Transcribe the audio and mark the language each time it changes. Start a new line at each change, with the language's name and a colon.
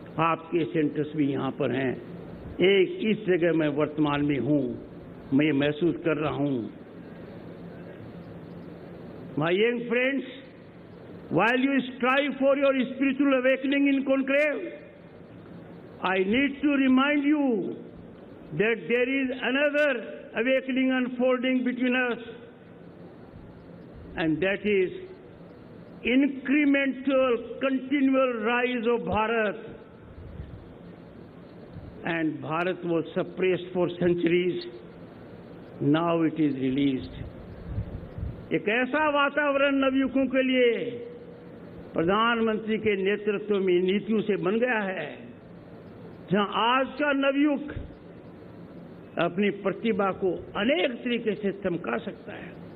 Hindi: आपके सेंटर्स भी यहां पर हैं. एक इस जगह मैं वर्तमान में हूं, मैं ये महसूस कर रहा हूं.
English: My young friends, while you strive for your spiritual awakening in conclave, I need to remind you that there is another awakening unfolding between us, and that is incremental, continual rise of Bharat. And Bharat was suppressed for centuries. Now it is released.
Hindi: एक ऐसा वातावरण नवयुवकों के लिए प्रधानमंत्री के नेतृत्व में नीतियों से बन गया है, जहां आज का नवयुवक अपनी प्रतिभा को अनेक तरीके से चमका सकता है.